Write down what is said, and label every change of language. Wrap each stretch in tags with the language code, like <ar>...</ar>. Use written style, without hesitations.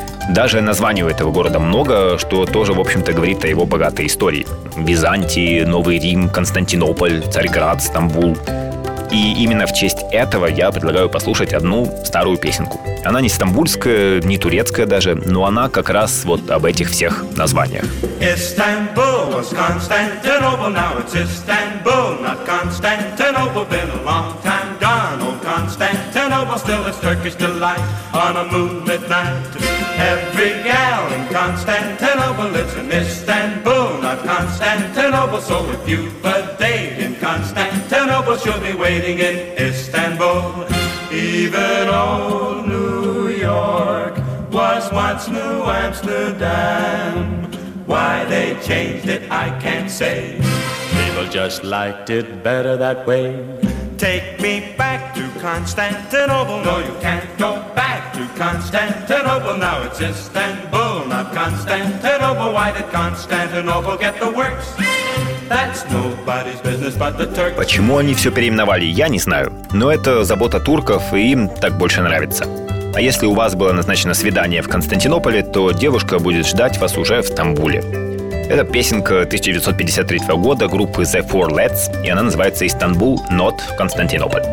<ru>Даже названий у этого города много, что тоже, в общем-то, говорит о его богатой истории. Византия, Новый Рим, Константинополь, Царьград, Стамбул. И именно в честь этого я предлагаю послушать одну старую песенку. Она не стамбульская, не турецкая даже, но она как раз вот об этих всех названиях.</ru> <en>Istanbul was Constantinople, now it's Istanbul, not Constantinople. Been a long time gone, old Constantinople, still is Turkish delight on a moonlit night. Every gal in Constantinople lives in Istanbul, not Constantinople. So if you've a date in Constantinople, she'll be waiting in Istanbul. Even old New York was once New Amsterdam. Why they changed it, I can't say. People just liked it better that way. Take me back to Constantinople. No, you can't go back to Constantinople. Now it's Istanbul, not Constantinople. Why did Constantinople get the works? That's nobody's business but the Turks.</en> <ru>Почему они все переименовали, я не знаю. Но это забота турков, и им так больше нравится. А если у вас было назначено свидание в Константинополе, то девушка будет ждать вас уже в Стамбуле. Это песенка 1953 года группы The Four Lads, и она называется «Истанбул, not Константинополь».</ru>